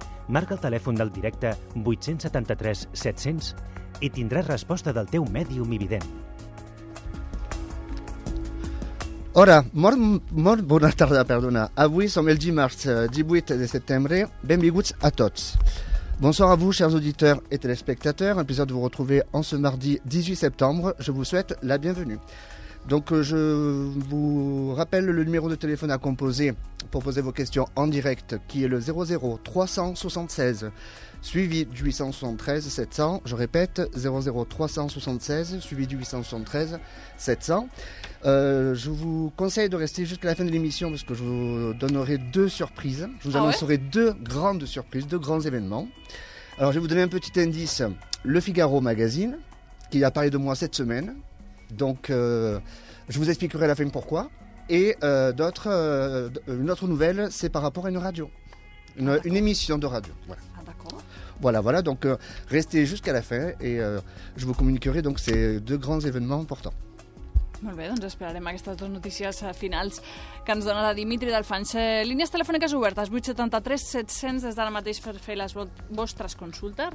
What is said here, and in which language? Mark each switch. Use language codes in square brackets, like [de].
[ca] Marca el telèfon del directe 873-700 i tindràs resposta del teu mèdium i vident. Hola, molt bona tarda, perdona. Avui som el dimarts 18 de setembre. Benvinguts a tots. [fr] Bonsoir à vous, chers auditeurs et téléspectateurs. Un plaisir de vous retrouver en ce mardi 18 septembre. Je vous souhaite la bienvenue. Donc, je vous rappelle le numéro de téléphone à composer pour poser vos questions en direct, qui est le 00-376, suivi du 873-700. Je répète, 00-376, suivi du 873-700. Je vous conseille de rester jusqu'à la fin de l'émission, parce que je vous donnerai deux surprises. Je vous annoncerai deux grandes surprises, deux grands événements. Alors, je vais vous donner un petit indice. Le Figaro Magazine, qui a parlé de moi cette semaine. Donc, je vous expliquerai à la fin pourquoi. Et une autre nouvelle, c'est par rapport à une radio, une émission de radio. Voilà. Ah d'accord. Voilà. Donc, restez jusqu'à la fin et je vous communiquerai donc ces deux grands événements importants. [ca] Molt bé, doncs esperarem aquestes dues notícies finals que ens donarà Dimitri Dalfanys. Línies telefòniques obertes, 873-700, des d'ara mateix per fer les vostres consultes.